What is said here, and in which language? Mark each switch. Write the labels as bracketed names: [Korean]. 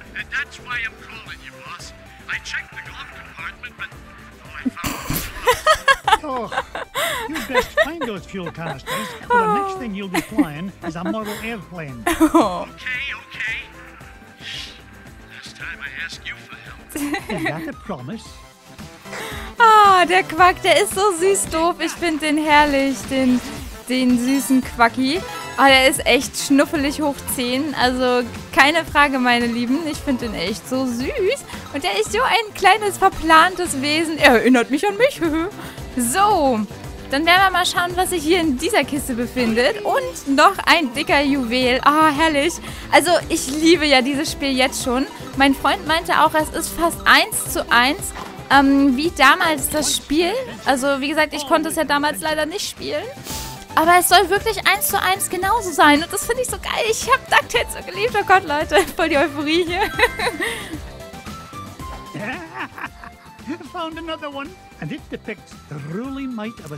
[English] That's why I'm calling you, boss. I checked the glove compartment, but... Oh, I found... Oh, you'd best find those fuel canisters, for the next thing you'll be flying is a model airplane. Okay. Shh. Last time I ask you for help. Is that a promise? [German] Oh, der Quack, der ist so süß doof. Ich finde den herrlich, den süßen Quacki. Oh, der ist echt schnuffelig hoch 10. Also keine Frage, meine Lieben. Ich finde den echt so süß. Und der ist so ein kleines, verplantes Wesen. Er erinnert mich an mich. So, dann werden wir mal schauen, was sich hier in dieser Kiste befindet. Und noch ein dicker Juwel. Oh, herrlich. Also ich liebe ja dieses Spiel jetzt schon. Mein Freund meinte auch, es ist fast 1:1. Wie damals das Spiel. Also wie gesagt, ich konnte es ja damals leider nicht spielen. Aber es soll wirklich 1:1 genauso sein. Und das finde ich so geil. Ich habe DuckTales so geliebt. Oh Gott, Leute, voll die Euphorie hier. [English] Found another one. And it depicts the ruling might of a